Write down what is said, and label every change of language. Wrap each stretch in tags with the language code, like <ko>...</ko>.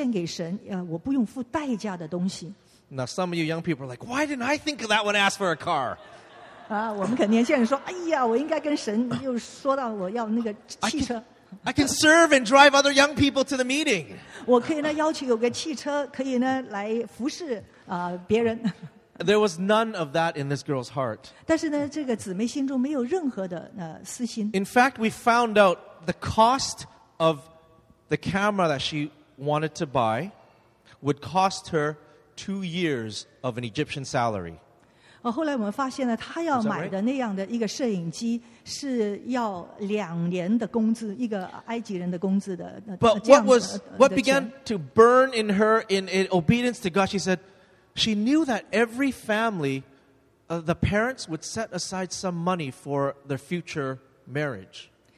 <zh>然后他就说,我不愿意呢,献给神,我不用付代价的东西。</zh> <en>Now some of you young people are like, why didn't I think of that when I asked for a car?</en> <zh>我们肯定现在说,哎呀,我应该跟神又说到我要那个汽车。</zh> <en>I can serve and drive other young people to the meeting.</en> <zh>我可以呢邀请有个汽车可以呢来服侍别人。</zh> <en>There was none of that in this girl's heart.</en> <zh>但是呢这个姊妹心中没有任何的私心。</zh> <en>In fact, we found out the cost of the camera that she wanted to buy would cost her 2 years of an Egyptian salary.</en> <zh>后来我们发现呢，她要买的那样的一个摄影机是要2年的工资，一个埃及人的工资的。But</zh> <en>what began to burn in her in obedience to God, she said, she knew that every family, the parents would set aside some money for their future marriage.</en>